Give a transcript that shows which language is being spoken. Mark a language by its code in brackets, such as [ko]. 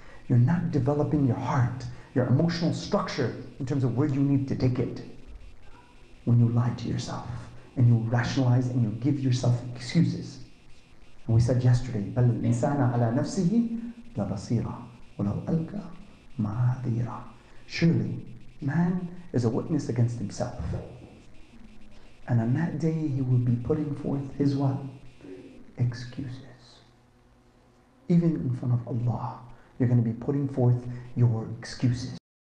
[en] You're not developing your heart, your emotional structure, in terms of where you need to take it. When you lie to yourself, and you rationalize, and you give yourself excuses. And we said yesterday, [ar] بَلْ الْإِنسَانَ عَلَى نَفْسِهِ لَبَصِيرًا وَلَوْ أَلْقَى مَعَذِيرًا. [en] Surely, man is a witness against himself. And on that day, he will be putting forth his what? Excuses. Even in front of Allah, you're going to be putting forth your excuses.